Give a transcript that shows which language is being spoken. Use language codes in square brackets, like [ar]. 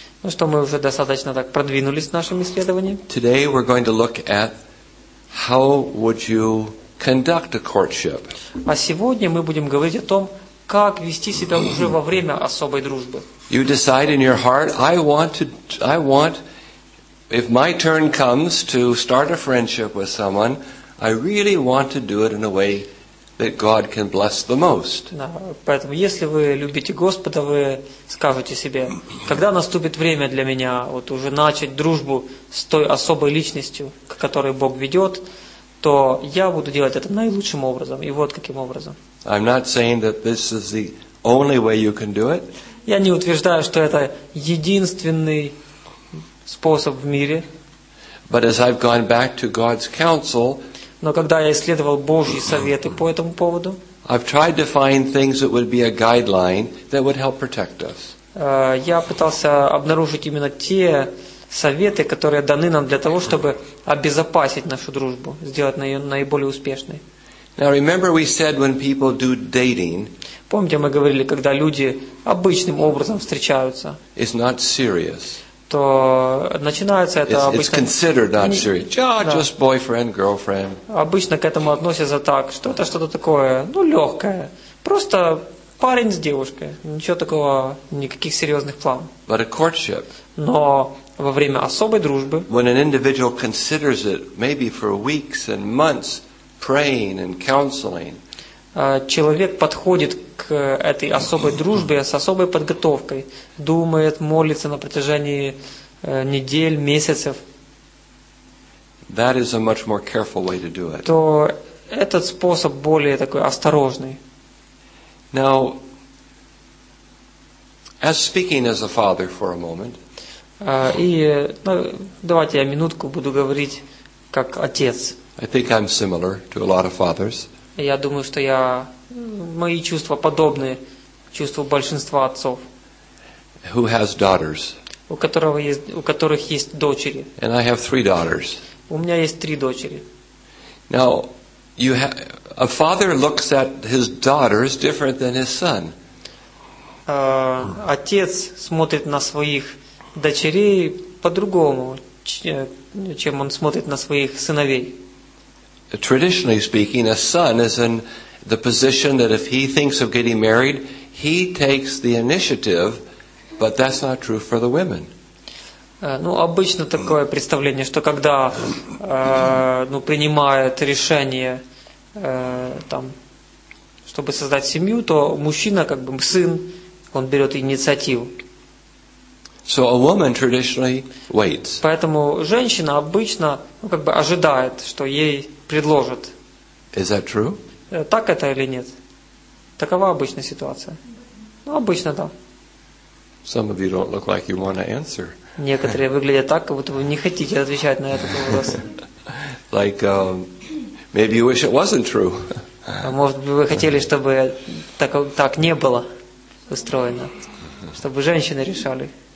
[ru] Ну что, мы уже достаточно так продвинулись в нашем исследовании. [en] Today we're going to look at how would you conduct a courtship. [ru] А сегодня мы будем говорить о том, как вести себя уже во время особой дружбы. [en] You decide in your heart, I want, if my turn comes to start a friendship with someone, I really want to do it in a way that God can bless the most. [ru] Да, поэтому, если вы любите Господа, вы скажете себе, когда наступит время для меня вот уже начать дружбу с той особой личностью, к которой Бог ведет, то я буду делать это наилучшим образом. И вот каким образом. [en] I'm not saying that this is the only way you can do it. [ru] Я не утверждаю, что это единственный способ в мире. [en] But as I've gone back to God's counsel, [ru] но когда я исследовал Божьи советы по этому поводу, [en] I've tried to find things that would be a guideline that would help protect us. [ru] Я пытался обнаружить именно те советы, которые даны нам для того, чтобы обезопасить нашу дружбу, сделать ее наиболее успешной. [en] Now remember we said when people do dating, [ru] помните, мы говорили, когда люди обычным образом встречаются, [en] it's not serious. [ru] То начинается это [en] it's, [ru] обычно... [en] It's considered not serious. Just boyfriend, girlfriend. [ru] Обычно к этому относятся так, что это что-то такое, ну, легкое, просто парень с девушкой, ничего такого, никаких серьезных планов. [en] But a courtship. [ru] Но во время особой дружбы, [en] when an individual considers it, maybe for weeks and months, praying and counseling, [ru] человек подходит к этой особой дружбе с особой подготовкой, думает, молится на протяжении недель, месяцев. [en] That is a much more careful way to do it. [ru] То этот способ более такой осторожный. [en] Now, as speaking as a father for a moment. [ru] И ну, давайте я минутку буду говорить как отец. [en] I think I'm similar to a lot of fathers. [ru] Я думаю, что я мои чувства подобны чувству большинства отцов. [en] Who has daughters? [ru] У которых есть дочери. [en] And I have three daughters. [ru] У меня есть три дочери. [en] Now, a father looks at his daughters different than his son. [ru] Отец смотрит на своих дочерей по-другому, чем он смотрит на своих сыновей. [en] traditionally speaking, a son is in the position that if he thinks of getting married, he takes the initiative, but that's not true for the women. [ru] Ну, обычно такое представление, что когда, ну, принимает решение, там, чтобы создать семью, то мужчина, как бы, сын, он берет инициативу. [en] So a woman traditionally waits. [ru] Поэтому женщина обычно, ну, как бы, ожидает, что ей предложат. [en] Is that true? [ru] Так это или нет? Такова обычная ситуация. Ну, обычно, да. [en] Some of you don't look like you want to answer. [ru] Некоторые выглядят так, как будто вы не хотите отвечать на этот вопрос. [en] Like, maybe you wish it wasn't true. [ru] Может быть, вы хотели, чтобы так не было устроено, чтобы женщины решали.